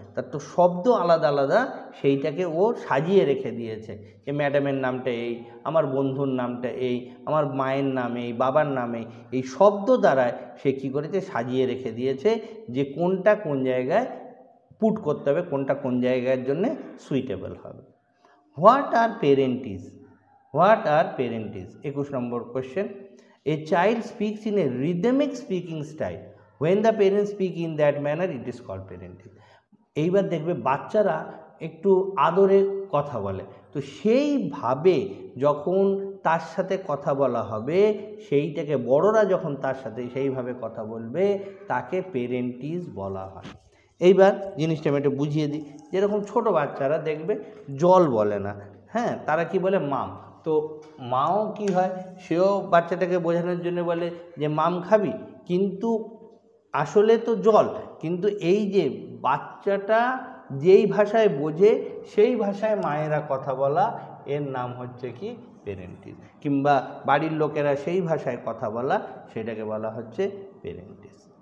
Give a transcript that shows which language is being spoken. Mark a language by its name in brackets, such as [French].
[Bangla] তার তো শব্দ আলাদা আলাদা, সেইটাকে ও সাজিয়ে রেখে দিয়েছে যে ম্যাডামের নামটা এই, আমার বন্ধুর নামটা এই, আমার মায়ের নামে এই, বাবার নামে এই, শব্দ দ্বারা সে কী করেছে, সাজিয়ে রেখে দিয়েছে যে কোনটা কোন জায়গায় পুট করতে হবে, কোনটা কোন জায়গার জন্যে সুইটেবল হবে। [English] what are parentheses, what are parentheses, [Bangla] 21 number question. [English] A child speaks in a rhythmic speaking style. When the parents speak in that manner, it is called parenting. [Bangla] এইবার দেখবে বাচ্চারা একটু আদরে কথা বলে, তো সেইভাবে যখন তার সাথে কথা বলা হবে, সেইটাকে বড়রা যখন তার সাথে সেইভাবে কথা বলবে, তাকে parenting বলা হয়। এইবার জিনিসটা আমি একটু বুঝিয়ে দিই, যেরকম ছোটো বাচ্চারা দেখবে জল বলে না, হ্যাঁ তারা কি বলে মাম, তো মাও কি হয়, সেও বাচ্চাটাকে বোঝানোর জন্য বলে যে মাম খাবি, কিন্তু আসলে তো জল, কিন্তু এই যে বাচ্চাটা যেই ভাষায় বোঝে সেই ভাষায় মায়েরা কথা বলা, এর নাম হচ্ছে কি পেরেন্টিস, কিংবা বাড়ির লোকেরা সেই ভাষায় কথা বলা, সেটাকে বলা হচ্ছে পেরেন্টিস।